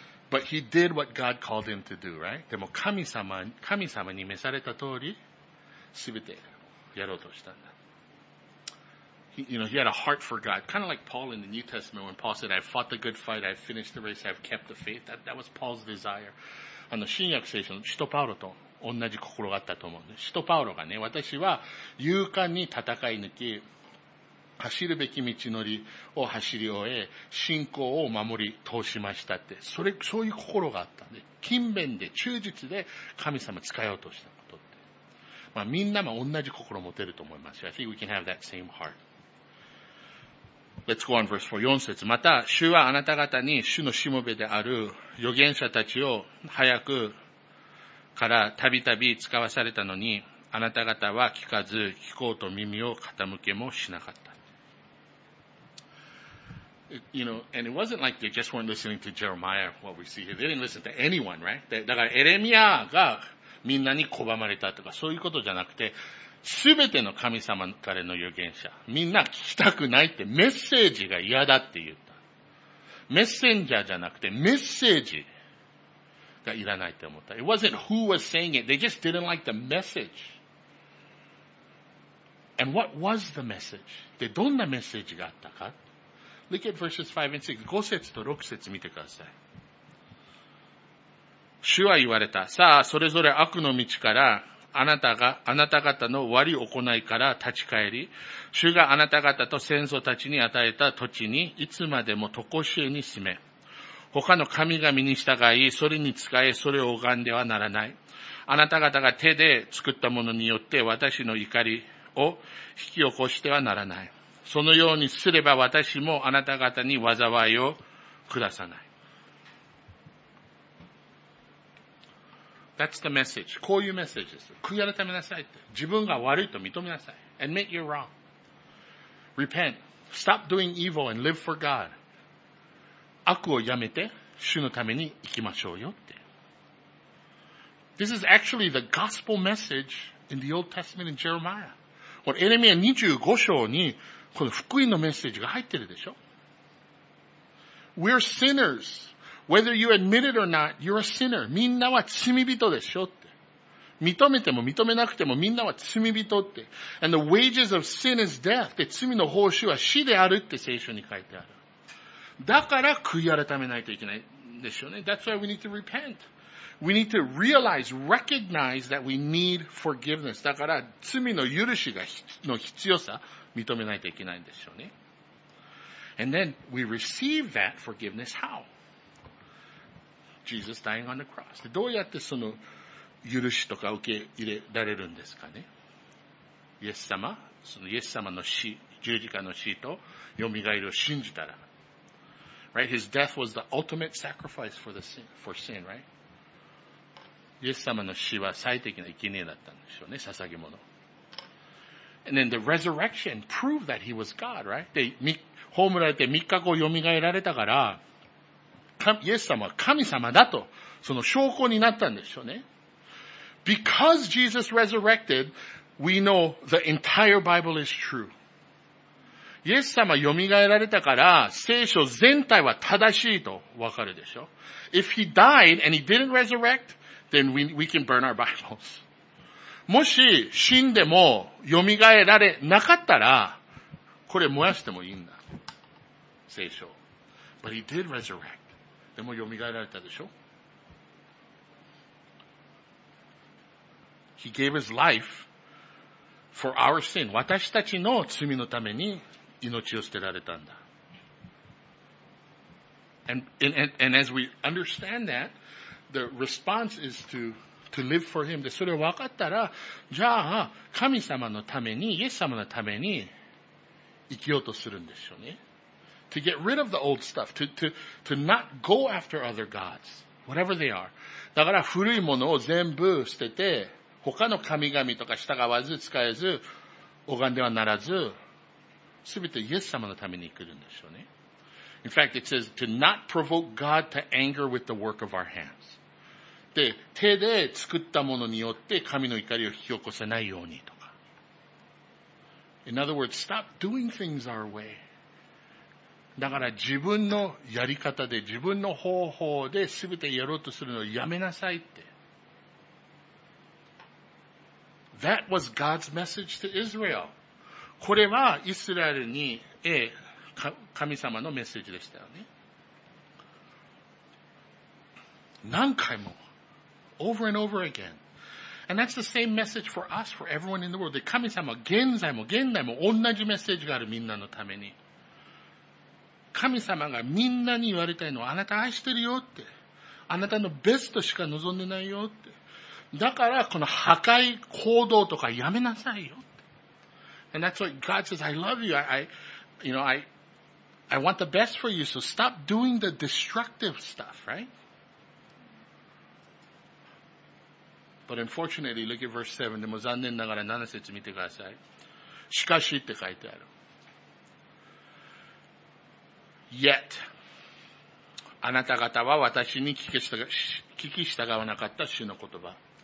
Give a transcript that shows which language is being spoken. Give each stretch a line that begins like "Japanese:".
English: But he did what God called him to do, right?
Japanese: でも神様に召された通り、すべてやろうとしたんだ。
English: You know, he had a heart for God. Kind of like Paul in the New Testament when Paul said, I've fought the good fight, I've finished the race, I've kept the faith. That was Paul's desire.
Japanese: あの、新約聖書の使徒パウロと同じ心があったと思うんです。使徒パウロがね、私は勇敢に戦い抜き、走るべき道のりを走り終え、信仰を守り通しましたって。そういう心があったんで、勤勉で忠実で神様使おうとしたことって。まあみんなも同じ心を持てると思いますよ。
English: I think we can have that same heart. Let's go on verse 4.
Japanese: 4節。また、主はあなた方に主のしもべである預言者たちを早くからたびたび使わされたのに、あなた方は聞かず、聞こうと耳を傾けもしなかった。
English: You know, and it wasn't like they just weren't listening to Jeremiah, what we see here. They didn't listen to anyone, right?
Japanese: だからエレミアがみんなに拒まれたとか、そういうことじゃなくて、すべての神様からの預言者、みんな聞きたくないってメッセージが嫌だって言った。メッセンジャーじゃなくてメッセージがいらないって思った。
English: It wasn't who was saying it, they just didn't like the message. And what was the message?
Japanese: で、どんなメッセージがあったか
English: ?Look at verses 5 and 6,
Japanese: 5節と6節見てください。主は言われた。さあ、それぞれ悪の道からあなた方の悪い行いから立ち返り、主があなた方と先祖たちに与えた土地にいつまでも常しえに住め。他の神々に従い、それに仕え、それを拝んではならない。あなた方が手で作ったものによって私の怒りを引き起こしてはならない。そのようにすれば私もあなた方に災いを下さない。
English: That's the message.
Japanese: こういうメッセージです。悔い改めなさいって。自分が悪いと認めなさい。
English: Admit you're wrong. Repent. Stop doing evil and live for God.
Japanese: 悪をやめて、主のために生きましょうよって。
English: This is actually the gospel message in the Old Testament in Jeremiah.
Japanese: これ、エレミア25章に、この福音のメッセージが入ってるでしょ。
English: We're sinners. Whether you admit it or not, you're a sinner.
Japanese: みんなは罪人でしょって。認めても認めなくてもみんなは罪人って。
English: And the wages of sin is death.
Japanese: で、罪の報酬は死であるって聖書に書いてある。だから悔い改めないといけないでしょうね。
English: That's why we need to repent. We need to realize, recognize that we need forgiveness.
Japanese: だから罪の許しがの必要さ認めないといけないんでしょうね。
English: And then we receive that forgiveness. How? Jesus dying on the cross.
Japanese: どうやってその許しとか受け入れられるんですかね。イエス様、そのイエス様の死、十字架の死と蘇りを信じたら。
English: Right? His death was the ultimate sacrifice for the sin, right?
Japanese: イエス様の死は最適な生贄だったんでしょうね、捧げ物。
English: And then the resurrection proved that he was God, right?
Japanese: で、葬られて三日後蘇られたから、イエス様は神様だと、その証拠になったんでしょうね。
English: Because Jesus resurrected, we know the entire Bible is true.
Japanese: イエス様よみがえられたから、聖書全体は正しいとわかるでしょ。
English: If he died and he didn't resurrect, then we can burn our Bibles.
Japanese: もし死んでもよみがえられなかったら、これ燃やしてもいいんだ。聖書。
English: But he did resurrect.
Japanese: でも蘇られたでしょ。
English: He gave his life for our sin.
Japanese: 私たちの罪のために命を捨てられたんだ。
English: And as we understand that, the response is to to live for him.
Japanese: で、それを分かったら、じゃあ、神様のために、イエス様のために、生きようとするんですよね。
English: To get rid of the old stuff. To not go after other gods. Whatever they are.
Japanese: だから、古いものを全部捨てて、他の神々とか従わず、使えず、拝んではならず、すべてイエス様のために生きるんですよね。
English: In fact, it says to not provoke God to anger with the work of our hands.
Japanese: で、手で作ったものによって神の怒りを引き起こさないようにとか。
English: In other words, stop doing things our way.
Japanese: だから自分のやり方で、自分の方法で全てやろうとするのをやめなさいって。
English: That was God's message to Israel.
Japanese: これはイスラエルに、神様のメッセージでしたよね。何回も。
English: Over and over again. And that's the same message for us, for everyone in the world.
Japanese: 神様、現在も現代も同じメッセージがあるみんなのために。神様がみんなに言われたいのは、あなた愛してるよって。あなたのベストしか望んでないよって。だから、この破壊行動とかやめなさいよって。
English: And that's what God says, I love you. I want the best for you, so stop doing the destructive stuff, right? But unfortunately, look at verse 7.
Japanese: でも残念ながら7節見てください。しかしって書いてある。
English: Yet,
Japanese: あなた方は私に聞き従わなかった主の言葉。